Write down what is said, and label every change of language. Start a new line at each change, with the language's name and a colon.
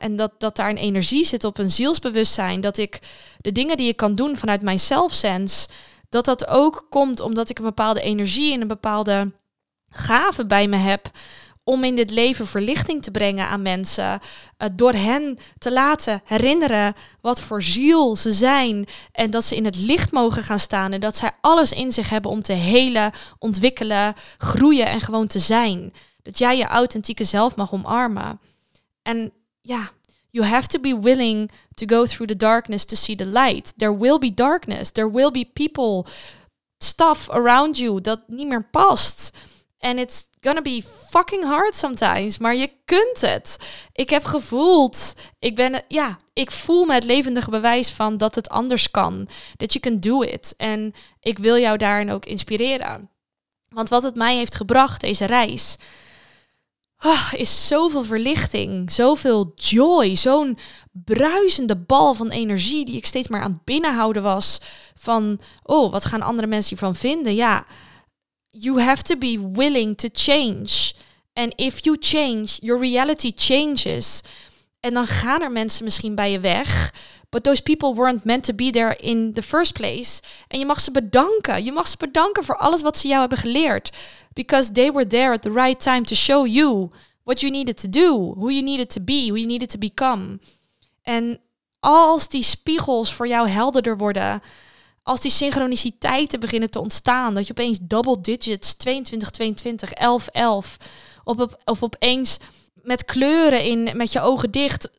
Dutch: En dat daar een energie zit op een zielsbewustzijn. Dat ik de dingen die ik kan doen vanuit mijn self-sense, dat ook komt omdat ik een bepaalde energie en een bepaalde gave bij me heb om in dit leven verlichting te brengen aan mensen. Door hen te laten herinneren wat voor ziel ze zijn. En dat ze in het licht mogen gaan staan. En dat zij alles in zich hebben om te helen, ontwikkelen, groeien en gewoon te zijn. Dat jij je authentieke zelf mag omarmen.
English: En ja, you have to be willing to go through the darkness to see the light. There will be darkness. There will be people, stuff around you
Dutch: dat niet meer past.
English: And it's gonna be fucking hard sometimes, maar je kunt het.
Dutch: Ik heb gevoeld, ik voel me het levendige bewijs van dat het anders kan.
English: That you can do it.
Dutch: En ik wil jou daarin ook inspireren. Want wat het mij heeft gebracht, deze reis, is zoveel verlichting, zoveel joy, zo'n bruisende bal van energie die ik steeds maar aan het binnenhouden was. Van, oh, wat gaan andere mensen hiervan vinden?
English: Ja, you have to be willing to change. And if you change, your reality changes.
Dutch: En dan gaan er mensen misschien bij je weg.
English: But those people weren't meant to be there in the first place.
Dutch: En je mag ze bedanken. Je mag ze bedanken voor alles wat ze jou hebben geleerd.
English: Because they were there at the right time to show you what you needed to do. Who you needed to be. Who you needed to become.
Dutch: En als die spiegels voor jou helderder worden. Als die synchroniciteiten beginnen te ontstaan. Dat je opeens double digits, 22, 22, 11, 11. Of opeens met kleuren in, met je ogen dicht.